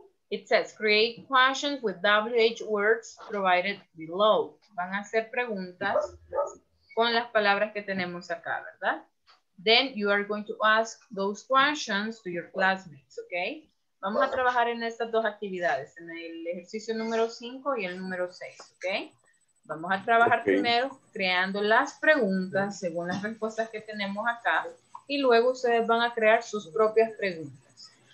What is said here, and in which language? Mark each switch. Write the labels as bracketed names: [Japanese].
[English] It says create questions with WH words provided below. [Spanish] Van a hacer preguntas con las palabras que tenemos acá, ¿verdad? [English] Then you are going to ask those questions to your classmates, okay? [Spanish] Vamos a trabajar en estas dos actividades, en el ejercicio número 5 y el número 6, okay? Vamos a trabajar primero creando las preguntas según las respuestas que tenemos acá y luego ustedes van a crear sus propias preguntas.